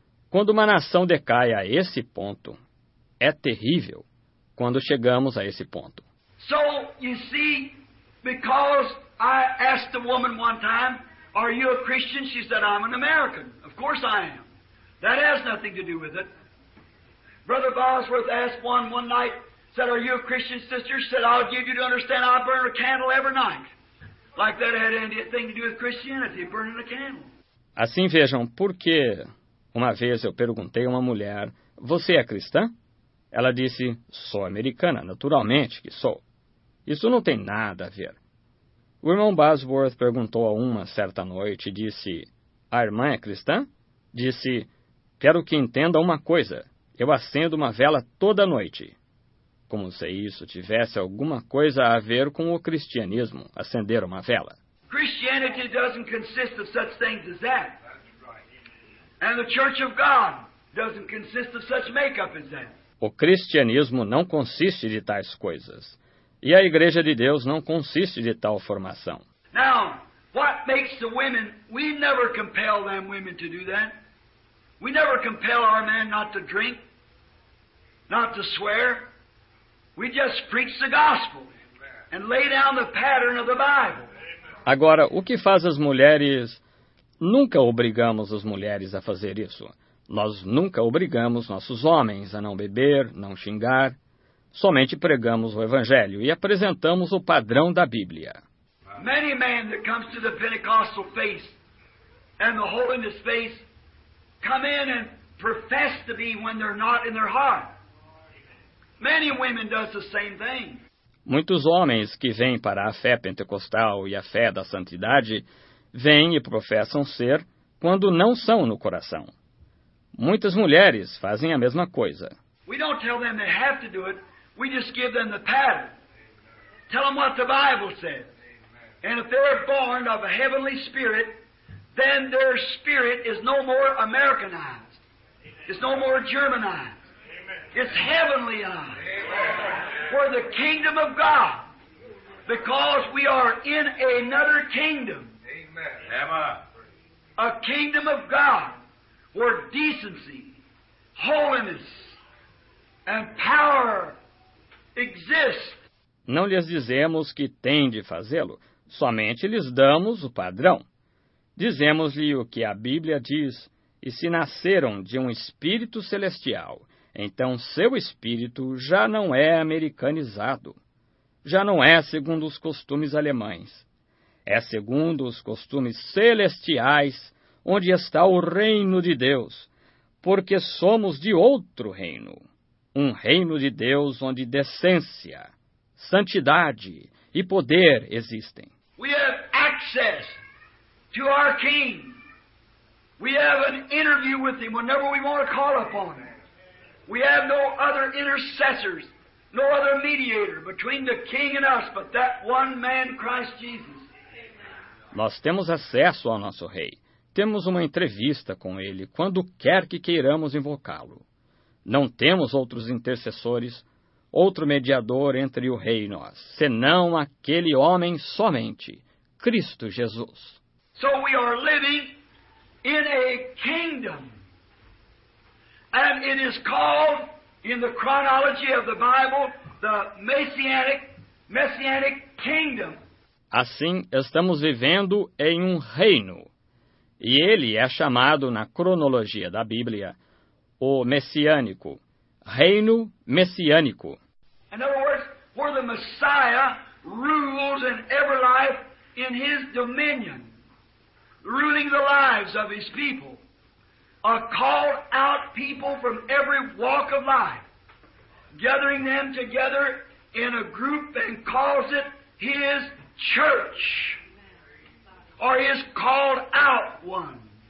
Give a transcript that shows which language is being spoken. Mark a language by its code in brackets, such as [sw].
[pt] Quando uma nação decai a esse ponto, é terrível quando chegamos a esse ponto. [en] So, you see, because I asked a woman one time, are you a Christian? She said, I'm an American. Of course I am. That has nothing to do with it. Brother Bosworth asked one night, said, are you a Christian, sister? She said, I'll give you to understand I burn a candle every night. Like that had anything to do with Christianity, burning a candle. [pt] Assim vejam, porque uma vez eu perguntei a uma mulher, você é cristã? Ela disse, sou americana, naturalmente que sou. Isso não tem nada a ver. O irmão Bosworth perguntou a uma certa noite e disse, a irmã é cristã? Disse, quero que entenda uma coisa, eu acendo uma vela toda noite. Como se isso tivesse alguma coisa a ver com o cristianismo, acender uma vela. [en] Christianity doesn't consist of such things as that. And the Church of God doesn't consist of such makeup as that. [pt] O cristianismo não consiste de tais coisas, e a Igreja de Deus não consiste de tal formação. [en] Now, what makes the women? We never compel them women to do that. We never compel our men not to drink, not to swear. We just preach the gospel and lay down the pattern of the Bible. [pt] Agora, o que faz as mulheres? Nunca obrigamos as mulheres a fazer isso. Nós nunca obrigamos nossos homens a não beber, não xingar. Somente pregamos o Evangelho e apresentamos o padrão da Bíblia. [en] Many men that comes to the Pentecostal faith and the holiness faith come in and profess to be when they're not in their heart. Many women does the same thing. [pt] Muitos homens que vêm para a fé pentecostal e a fé da santidade vêm e professam ser quando não são no coração. Muitas mulheres fazem a mesma coisa. [en] We don't tell them they have to do it. We just give them the pattern. Tell them what the Bible says. And if they're born of a heavenly spirit, then their spirit is no more Americanized. It's no more German eye. It's heavenly eye. Amen. For the kingdom of God. Because we are in another kingdom. Amen. A kingdom of God where decency, holiness, and power exist. [pt] Não lhes dizemos que têm de fazê-lo, somente lhes damos o padrão. Dizemos-lhe o que a Bíblia diz, e se nasceram de um espírito celestial, então seu espírito já não é americanizado, já não é segundo os costumes alemães. É segundo os costumes celestiais, onde está o reino de Deus, porque somos de outro reino, um reino de Deus onde decência, santidade e poder existem. [en] We have access to our King. We have an interview with Him whenever we want to call upon Him. We have no other intercessors, no other mediator between the King and us, but that one man, Christ Jesus. [pt] Nós temos acesso ao nosso Rei. Temos uma entrevista com Ele quando quer que queiramos invocá-lo. Não temos outros intercessores, outro mediador entre o Rei e nós, senão aquele homem somente, Cristo Jesus. [en] So we are living in a kingdom, and it is called, in the chronology of the Bible, the messianic kingdom. [pt] Assim, estamos vivendo em um reino, e ele é chamado na cronologia da Bíblia o messiânico, reino messiânico. [en] In other words, where the Messiah rules in every life in His dominion, ruling the lives of His people, a called out people from every walk of life, gathering them together in a group and calls it His church, or His called out ones.